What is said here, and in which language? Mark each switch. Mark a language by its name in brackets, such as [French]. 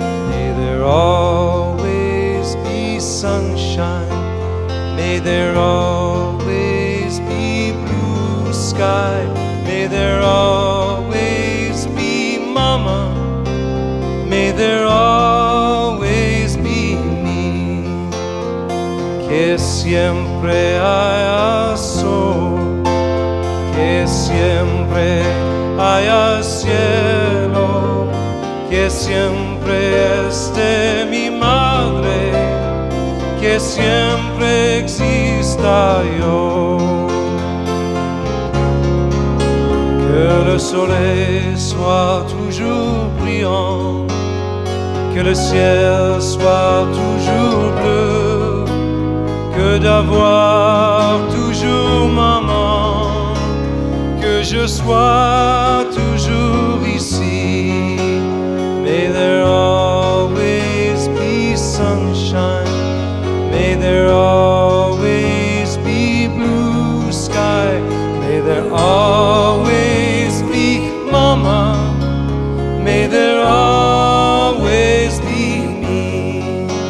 [English] May there always be sunshine, may there always be blue sky, may there always be mama, may there always be me. [Spanish] Que siempre haya sol, que siempre haya cielo, que siempre esté mi madre, que siempre exista yo. [French] Que le soleil soit toujours brillant, que le ciel soit toujours bleu, que d'avoir toujours maman, que je sois toujours ici. [English] May there always be sunshine, may there always be blue sky, may there always be mama, may there always be me.